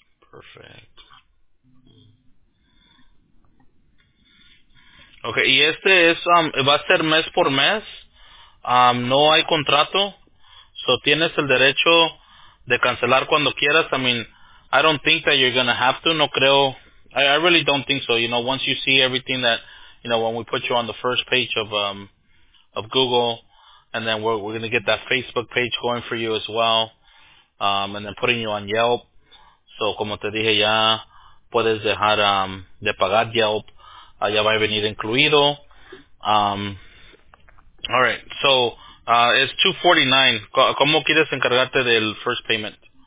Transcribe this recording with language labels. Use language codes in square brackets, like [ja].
[es] Perfecto. Okay, y este es va a ser mes por mes. No hay contrato. So tienes el derecho de cancelar cuando quieras. [en] I mean, I don't think that you're gonna have to. [es] No creo. [en] I really don't think so. You know, once you see everything that, you know, when we put you on the first page of Google, and then we're gonna get that Facebook page going for you as well. And then putting you on Yelp. [es] So, como te dije, ya puedes dejar de pagar Yelp. Ya va a venir incluido. [en] Alright, so, it's $249. [es] ¿Cómo quieres encargarte del [en] first payment?